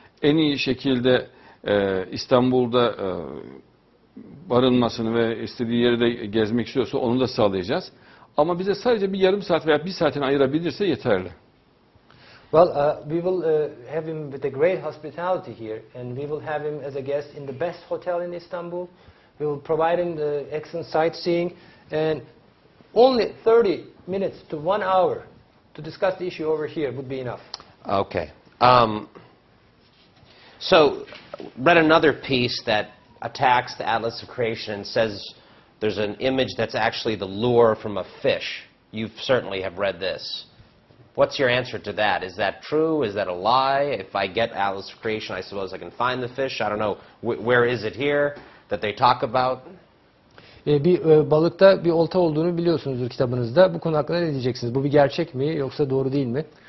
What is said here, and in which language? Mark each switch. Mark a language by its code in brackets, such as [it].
[tr] En iyi şekilde İstanbul'da barınmasını ve istediği yeri de gezmek istiyorsa onu da sağlayacağız. Ama bize sadece bir yarım saat veya bir saatini ayırabilirse yeterli. [en] Well, we will have him with a great hospitality here and we will have him as a guest in the best hotel in Istanbul. We will provide him the excellent sightseeing and only 30 minutes to 1 hour to discuss the issue over here would be enough. Okay. So read another piece that attacks the Atlas of Creation and says there's an image that's actually the lure from a fish. You certainly have read this. What's your answer to that? Is that true? Is that a lie? If I get Atlas of Creation, I suppose I can find the fish. I don't know. Where is it here that they talk about? [tr] Bir balıkta bir olta olduğunu biliyorsunuzdur kitabınızda. Bu konu hakkında ne diyeceksiniz? Bu bir gerçek mi yoksa doğru değil mi?